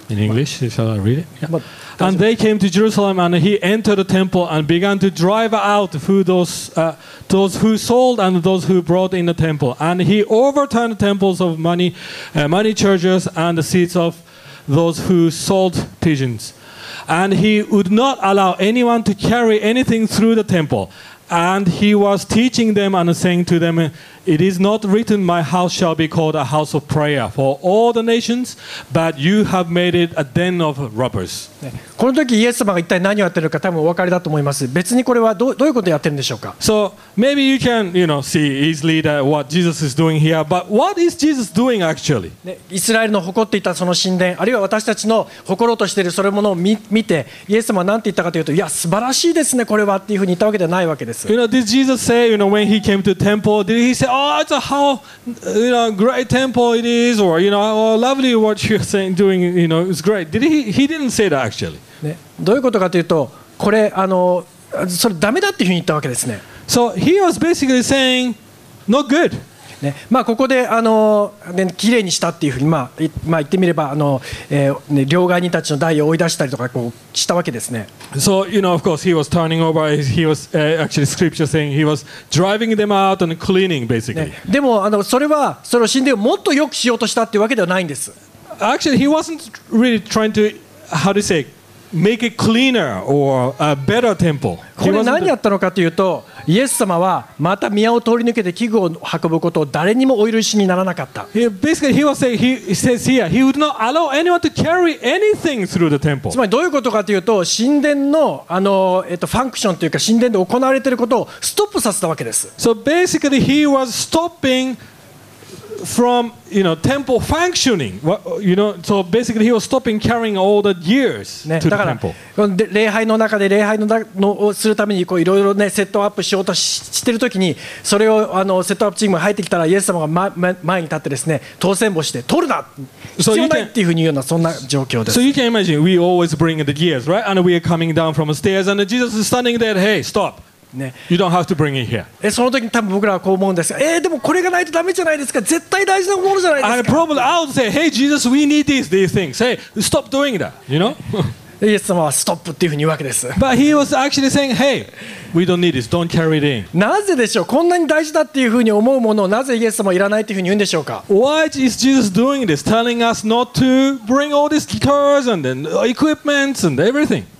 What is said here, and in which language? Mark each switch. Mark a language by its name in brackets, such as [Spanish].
[English] In English, shall I read it? Yeah. And they came to Jerusalem, and he entered the temple and began to drive out those who sold and those who brought in the temple. And he overturned the temples of money changers and the seats of those who sold pigeons. And he would not allow anyone to carry anything through the temple. And he was teaching them and saying to them,It is not written, my house shall be called a house of prayer for all the nations, but you have made it a den of robbers. [Japanese] この時イエス様が一体何をやってるか多分お分かりだと思います。別にこれはどういうことをやってるんでしょうか? [English] So maybe you can, you know, see easily that what Jesus is doing here, but what is Jesus doing actually? [Japanese] イスラエルの誇っていたその神殿、あるいは私たちの誇ろうとしているそれものを見て、イエス様は何て言ったかというと、いや素晴らしいですねこれはっていうふうに言ったわけではないわけです。 [English] You know, did Jesus say, you know, when he came to the temple, did he say,Oh, it's a how you know great temple it is, or you know, oh, lovely what you're saying, doing. You know, it's great. Did he didn't say that actually. [Japanese] どういうことかというと、これあのそれダメだっていうふうに言ったわけですね。 [English] So he was basically saying, not good. [Japanese] ね、まあここであの、ね、きれいにしたっていうふうに、まあ、言ってみればあの、両替人たちの台を追い出したりとかこうしたわけですね。 [English] So you know, of course, he was turning over. He was actually scripture saying he was driving them out and cleaning basically.、ね、 [Japanese] でもあのそれはその神殿をもっと良くしようとしたっていうわけではないんです。 [English] Actually, he wasn't really trying to how to say make it cleaner or a better temple. [Japanese] これ何やったのかというと、イエス様はまた宮を通り抜けて器具を運ぶことを誰にもお許しにならなかった。 [English] Basically, he was saying he says here he would not allow anyone to carry anything through the temple. [Japanese] つまりどういうことかというと、神殿のファンクションというか神殿で行われていることをストップさせたわけです。 [English] So basically, he was stopping. From you know temple functioning, you know, so basically he was stopping carrying all the gears to the temple. [Japanese] 礼拝の中で礼拝のをするためにこういろいろねセットアップしようとしてるときに、それをセットアップチームが入ってきたらイエス様が前に立ってですね、当選簿して取るな、必要ないっていうふうに言うようなそんな状況です。 [English] So you can imagine we always bring the gears, right? And we are coming down from the stairs, and Jesus is standing there. Hey, stop. ね、you don't have to bring it here. [Japanese] その時に多分僕らはこう思うんですが、でもこれがないとダメじゃないですか。絶対大事なものじゃないですか。 [English] And probably I would say, hey Jesus, we need these things. Hey, stop doing that. You know? [Japanese] イエス様はストップっていうふうに言うわけです。 [English] But he was actually saying, hey, we don't need this. Don't carry it in. [Japanese] なぜでしょう。こんなに大事だっていうふうに思うものをなぜイエス様はいらないっていうふうに言うんでしょうか。 [English] Why is Jesus doing this? Telling us not to bring all these cars and then equipment and everything.